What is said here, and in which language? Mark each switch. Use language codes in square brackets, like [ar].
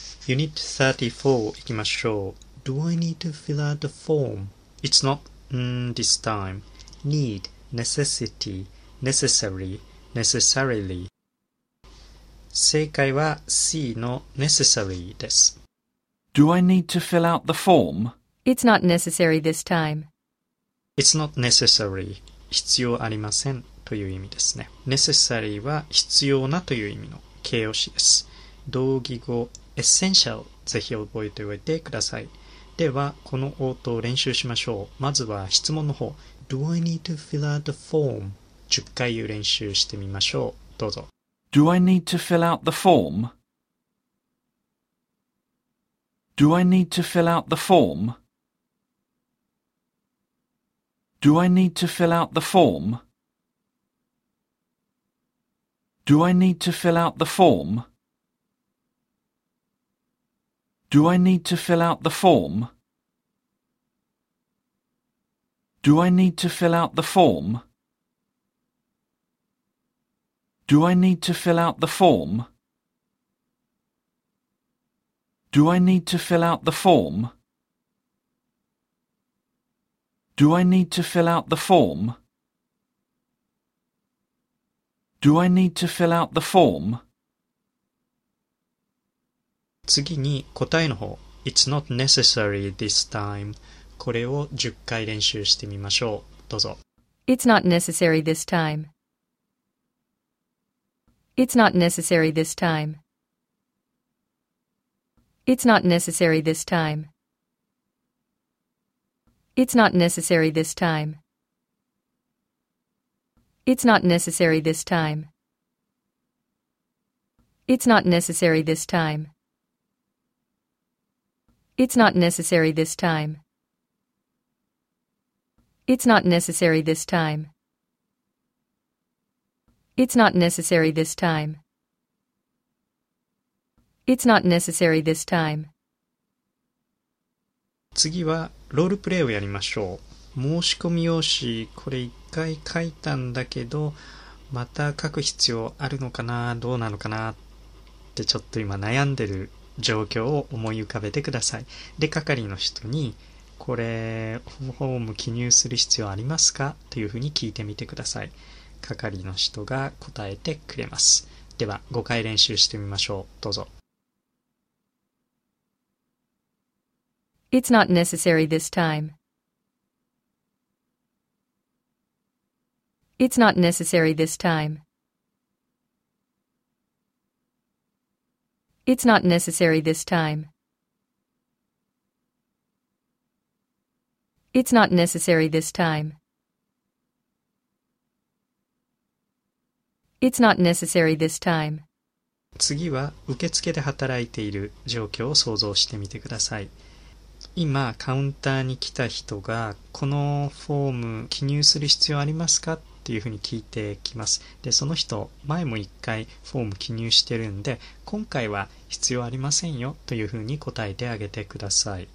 [ja] Unit 34, 行きましょう。 [en] Do I need to fill out the form? It's not、this time. Need, necessity, necessary, necessarily. [ja] 正解は C の necessary です。 [en] Do I need to fill out the form? It's not necessary this time. It's not necessary. [ja] 必要ありませんという意味ですね。Necessary は必要なという意味の形容詞です。同義語Essential ぜひ覚えておいてください。ではこの応答を練習しましょう。まずは質問の方、 [en] Do I need to fill out the form? [ja] 10回言う練習してみましょう。どうぞ。 [en] Do I need to fill out the form? Do I need to fill out the form? Do I need to fill out the form? Do I need to fill out the form? Do I need to fill out the form? Do I need to fill out the form? Do I need to fill out the form? Do I need to fill out the form? Do I need to fill out the form? Do I need to fill out the form? [ja] 次に答えの方、 [en] It's not necessary this time. [ja] これを10回練習してみましょう。どうぞ。 [en] It's not necessary this time. It's not necessary this time. It's not necessary this time. It's not necessary this time. It's not necessary this time. It's not necessary this time. It's not necessary this time. It's not necessary this time. It's not necessary this time. It's not necessary this time. [ja] 次はロールプレイをやりましょう。申し込み用紙、これ一回書いたんだけど、また書く必要あるのかな、どうなのかなってちょっと今悩んでる状況を思い浮かべてください。で、係の人にこれフォーム記入する必要ありますかというふうに聞いてみてください。係の人が答えてくれます。では5回練習してみましょう。どうぞ。 [en] It's not necessary this time. It's not necessary this timeIt's not necessary this time. It's not necessary this time. It's not necessary this time. [ja] 次は受付で働いている状況を想像してみてください。今カウンターに来た人がこのフォーム記入する必要ありますか? っていうふうに聞いてきます。で、その人前も一回フォーム記入してるんで、今回は必要ありませんよというふうに答えてあげてください。